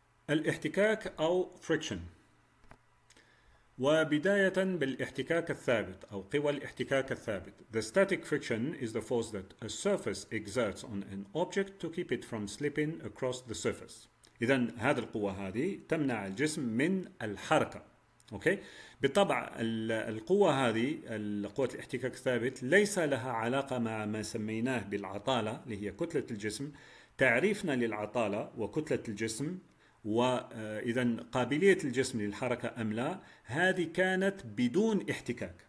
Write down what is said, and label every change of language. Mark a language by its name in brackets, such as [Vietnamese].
[Arabic] الاحتكاك أو friction. وبداية بالاحتكاك الثابت أو قوى الاحتكاك الثابت. [English] The static friction is the force that a surface exerts on an object to keep it from slipping across the surface. [Arabic] إذن هذه القوة هذه تمنع الجسم من الحركة. أوكي؟ بالطبع القوة هذه قوة الاحتكاك الثابت ليس لها علاقة مع ما سميناه بالعطالة اللي هي كتلة الجسم. تعريفنا للعطالة وكتلة الجسم وإذا قابلية الجسم للحركة أم لا، هذه كانت بدون احتكاك.